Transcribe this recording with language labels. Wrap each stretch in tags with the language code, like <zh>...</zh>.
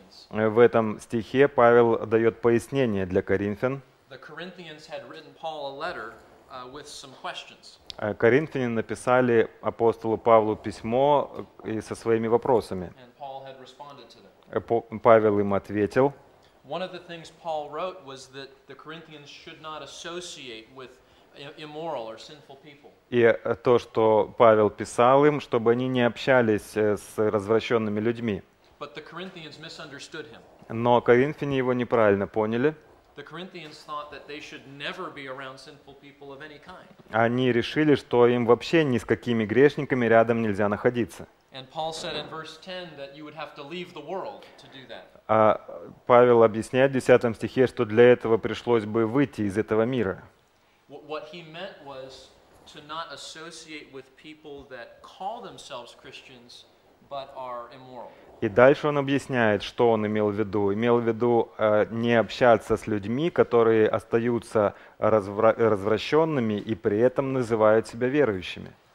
<ru>В этом стихе Павел дает пояснение для коринфян.</ru> <en>The Corinthians had written Paul a letter with some questions.</en> <ru>Коринфяне написали апостолу Павлу письмо со своими вопросами.</ru> <en>And Paul had responded to them.</en> <ru>Павел им ответил.</ru> <en>One of the things Paul wrote was that the Corinthians should not associate with immoral or sinful people.</en> <ru>И то, что Павел писал им, чтобы они не общались с развращенными людьми.</ru> <en>But the Corinthians misunderstood him.</en> <ru>Но коринфяне его неправильно поняли.</ru> <en>The Corinthians thought that they should never be around sinful people of any kind.</en> <ru>Они решили, что им вообще ни с какими грешниками рядом нельзя находиться.</ru> <en>And Paul said in verse 10 that you would have to leave the world to do that.</en> <ru>А Павел объясняет в 10 стихе, что для этого пришлось бы выйти из этого мира.</ru> <en>What he meant was to not associate with people that call themselves Christians but are immoral.</en> <ru>И дальше он объясняет, что он имел в виду. Имел в виду не общаться с людьми, которые остаются развращенными и при этом называют себя верующими.</ru>